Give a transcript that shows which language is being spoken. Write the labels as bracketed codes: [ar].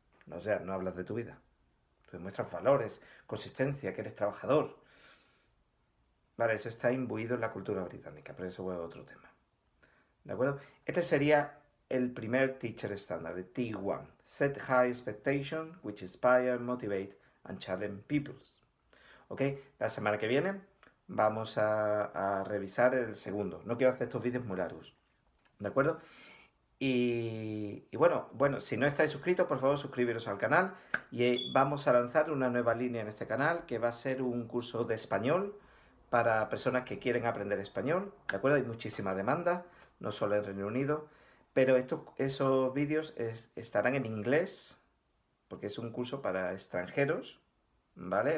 [es] O sea, no hablas de tu vida. Tú demuestras valores, consistencia, que eres trabajador. Vale, eso está imbuido en la cultura británica, pero eso es otro tema. ¿De acuerdo? Este sería el primer teacher estándar, el T1. [en] Set high expectations, which inspire, motivate, and challenge people. [es] ¿Ok? La semana que viene vamos a revisar el segundo. No quiero hacer estos vídeos muy largos. ¿De acuerdo? Y bueno, si no estáis suscritos, por favor suscribiros al canal y vamos a lanzar una nueva línea en este canal que va a ser un curso de español para personas que quieren aprender español, ¿de acuerdo? Hay muchísima demanda, no solo en Reino Unido, pero esos vídeos estarán en inglés porque es un curso para extranjeros, ¿vale?